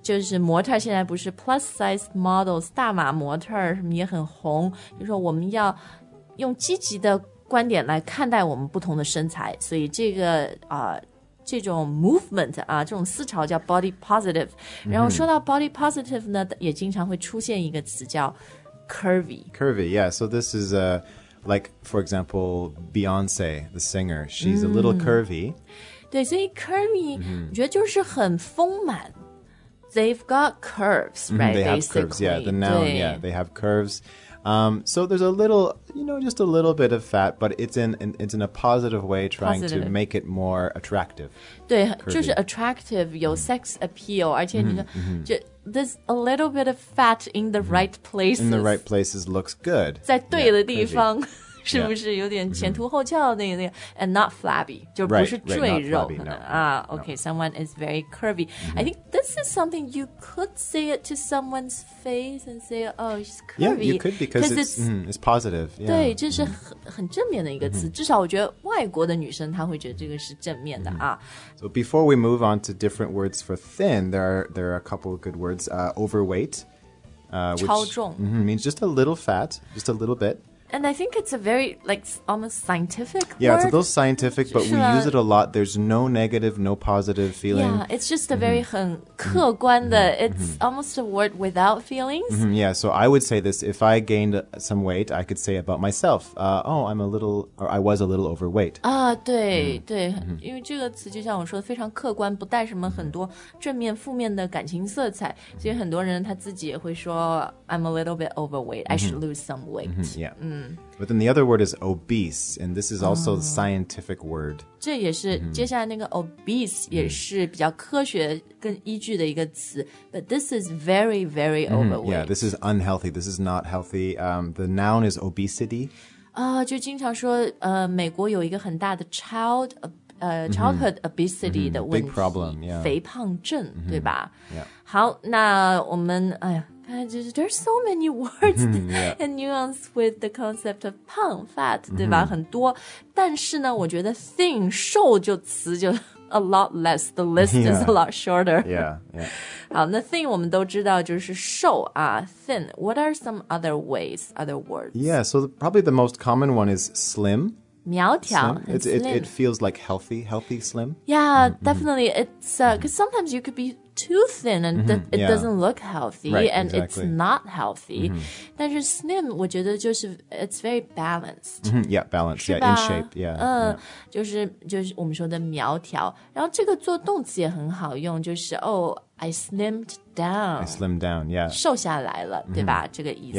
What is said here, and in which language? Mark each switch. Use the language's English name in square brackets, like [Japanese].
[Chinese] 就是模特现在不是 plus size models, 大码模特什么也很红就是说我们要用积极的观点来看待我们不同的身材所以这个、这种 movement 啊，这种思潮叫 body positive。然后说到 body positive 呢，也经常会出现一个词叫 curvy。 [English] Curvy, yeah. So this is a, like, for example, Beyonce, the singer. She's a little curvy. [Chinese] 对，所以 curvy, 我觉得就是很丰满。 [English] They've got curves, right? They have curves, yeah. The noun, yeah. They have curves. So there's a little, you know, just a little bit of fat, but it's in a positive way trying positive. To make it more attractive. [Chinese] 对、curvy. 就是 attractive, 有 sex appeal, 而且你说、mm-hmm. [English] there's a little bit of fat in the、mm-hmm. right places. In the right places looks good. [Chinese] 在对的地方、yeah, 是不是有点前凸后翘的那个、 mm-hmm. [English] And not flabby, [Chinese] 就不是赘肉。 [English] Right, right, not flabby, no. Okay, someone is very curvy.、Mm-hmm. I think this is something you could say it to someone's face and say, oh, she's curvy. Yeah, you could because it's positive. Yeah, [Chinese] 对，这是很正面的一个词。至少我觉得外国的女生她会觉得这个是正面的啊。 [English] So before we move on to different words for thin, there are a couple of good words. Overweight. [Chinese] 超重。 [English] Mm-hmm, means just a little fat, just a little bit. And I think it's a very, like, almost scientific yeah, word. Yeah, it's a little scientific, but we use it a lot. There's no negative, no positive feeling. Yeah, it's just a very [Chinese] 很客观的 [English] It's almost a word without feelings. Mm-hmm, yeah, so I would say this. If I gained some weight, I could say about myself, I was a little overweight. [Chinese] 对,、对、因为这个词就像我说的非常客观不带什么很多正面负面的感情色彩所以很多人他自己也会说 [English] I'm a little bit overweight. I should lose some weight. Yeah. But then the other word is obese, and this is also a scientific word. [Chinese] 这也是、接下来那个 obese 也是比较科学跟依据的一个词 [English] But this is very, very overweight. Yeah, this is unhealthy. This is not healthy. The noun is obesity. [Chinese] 就经常说、美国有一个很大的 childhood obesity 的问题 [English] Big problem, yeah. [Chinese] 肥胖症、对吧、 [English] yeah. [Chinese] 好那我们哎呀 [English] there's so many words and nuance with the concept of 胖 fat, 对吧很多。 [Chinese] 但是呢我觉得 [English] thin, 瘦就词就 a lot less, the list is a lot shorter. Yeah, [Chinese] 好那 thin 我们都知道就是瘦啊 thin, [English] what are some other ways, other words? Yeah, so probably the most common one is slim. [Chinese] 苗条 [English] It feels like healthy slim. Yeah, definitely. It's because sometimes you could be too thin and it doesn't look healthy right, and、 exactly. it's not healthy. [Chinese] 但是 slim, 我觉得就是 [English] it's very balanced. Yeah, balanced. Yeah, in shape. Yeah, [Chinese] 就是我们说的苗条。然后这个做动词也很好用，就是 [English] I slimmed down. I slimmed down, yeah. [Chinese] 瘦下来了、对吧这个意思。